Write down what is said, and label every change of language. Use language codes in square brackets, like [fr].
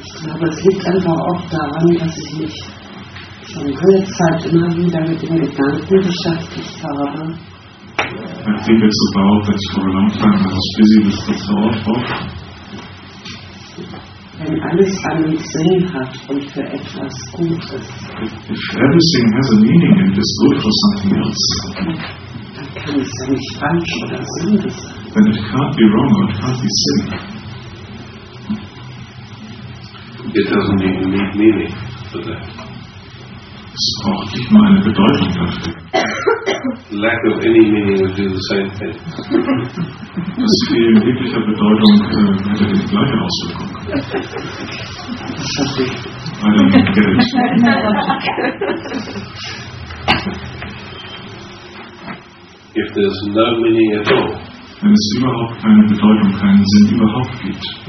[de] Aber es liegt einfach auch daran, dass ich mich schon lange Zeit immer wieder mit den Gedanken beschäftigt habe. [en] I think it's about that for a long time I was busy with the thought of. [de] Wenn alles einen Sinn hat und für etwas gut ist. [en] If everything has a meaning and is good for something else. [de] Dann kann es ja nicht falsch oder sinnlos sein. [en] Then it can't be wrong or it can't be sin. It doesn't even need meaning for that. [de] Es braucht nicht mal eine Bedeutung dafür. [en] Lack of any meaning would do the same thing. [de] Das Fehlen jeglicher Bedeutung hätte die gleiche Auswirkung. [en] I don't get it. If there's no meaning at all, [de] wenn es überhaupt keine Bedeutung, keinen Sinn überhaupt gibt,